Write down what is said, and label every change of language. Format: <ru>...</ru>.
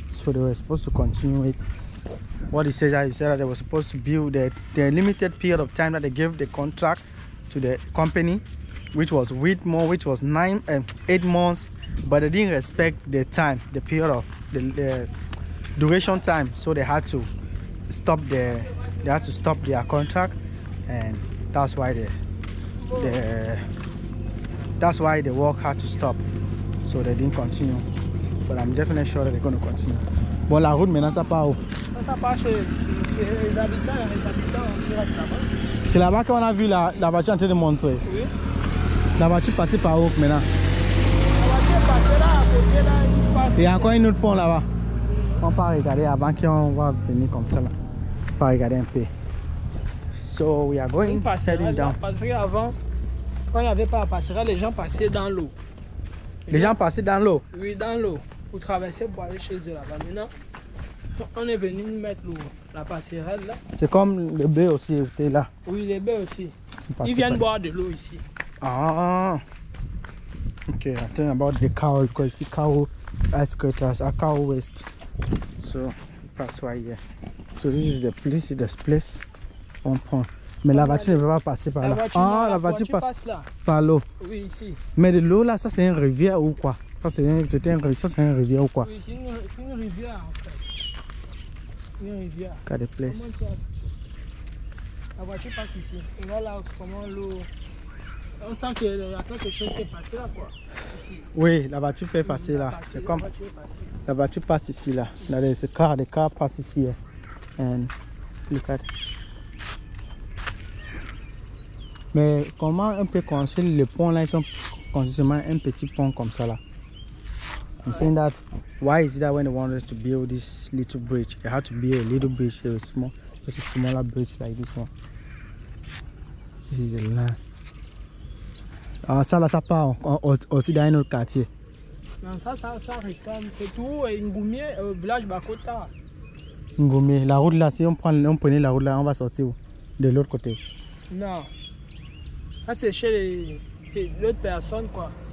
<en>So they were supposed to continue it. What he said that they were supposed to build the limited period of time that they gave the contract to the company, which was Whitmore, which was 8 months, but they didn't respect the time, the period of the duration time, so they had to stop their contract, and that's why the work had to stop, so they didn't continue. But I'm definitely sure that they're going to continue.</en> <fr>Bon, la route maintenant, ça part où? Ça part chez les habitants qui restent là-bas. C'est là-bas qu'on a vu la voiture en train de montrer. Oui. La voiture passe par où maintenant? La voiture est passée là, à côté là, il passe. Il y a encore un autre pont là-bas. On va regarder avant qu'on va venir comme ça là. On va regarder un peu.</fr> <en>So, we are going heading down.</en> <fr>Parce qu'avant, quand il n'y avait pas la passerelle, les gens passaient dans l'eau. Les gens passaient dans l'eau? Oui, dans l'eau. Pour traverser pour aller chez eux là-bas. Maintenant, on est venu mettre la passerelle là. C'est comme le bœuf aussi, était là. Oui, les bœufs aussi. Ils viennent boire de l'eau ici.</fr> <en>Ah, ok, I'm talking about the cow, because it's cow ice craters, a cow waste. So, pass right here. So, this is the place.</en> <fr>On prend. Mais la voiture ne peut pas passer par là. La voiture passe là. Par l'eau. Oui, ici. Mais de l'eau là, ça c'est une rivière ou quoi? Ça c'est une rivière ou quoi? Oui, c'est une rivière en fait. Une rivière. Qu'à des places. La voiture passe ici. Et là, comment l'eau. On sent qu'il y a quelque chose qui est passé là quoi. Ici. Oui, la voiture fait passer là. Passée, c'est comme. La voiture passe ici là. Là, il y a ce car, le car passe ici. Yeah.</fr> <en>And look at it.</en> <fr>Mais comment on peut construire le pont là, ils ont construit seulement un petit pont comme ça là.</fr> <en>I'm saying that, why is it that when they wanted to build this little bridge, they had to build a little bridge, a small, just a smaller bridge like this one. This is the land.</en> <fr>Ah, ça là, ça part aussi dans un autre quartier. Non, ça réclame, c'est tout, Ngoumier, village Bakota. Ngoumier, la route là, si on prenait la route là, on va sortir où? De l'autre côté. Non. Ça, c'est chez l'autre personne, quoi.</fr>